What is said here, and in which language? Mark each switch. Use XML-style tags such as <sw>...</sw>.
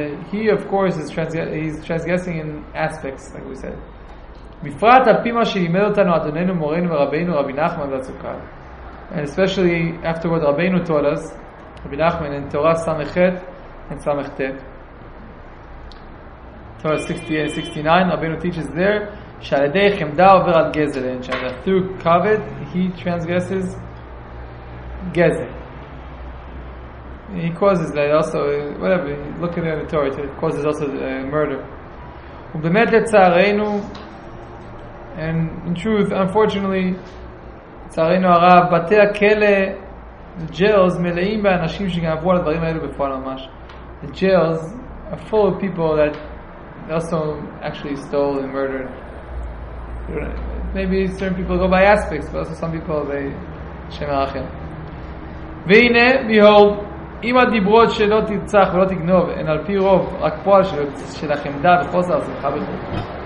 <en>He of course is transgressing in aspects, like we said.</en> <he>בפרט על פי מה שלימד אותנו אדוננו מורנו ורבינו רבי נחמן והצוקל.</he> <en>And especially after what רבינו told us, רבי נחמן, in Torah סמכת and סמכתת. Torah 69, רבינו teaches there,</en> <he>שעל ידי חמדה עובר על גזל,</he> <en>and that through covet, he transgresses גזל. He causes that also, whatever, look at the Torah, it causes also murder.</en> <he>ובאמת לצערנו,</he> <en>and in truth, unfortunately,</en> <he>צערנו הרב, בתי הכלא,</he> <en>the jails,</en> <he>מלאים באנשים שגנבו על הדברים האלו בפועל ממש.</he> <en>The jails are full of people that also actually stole and murdered. Maybe certain people go by aspects, but also some people, they</en> <he>שם הרחם. והנה,</he> <en>behold,</en> <he>אם הדיברות שלא תרצח ולא תגנוב, הן על פי רוב, רק פועל של החמדה וחוסר הצלחה בכל.</he>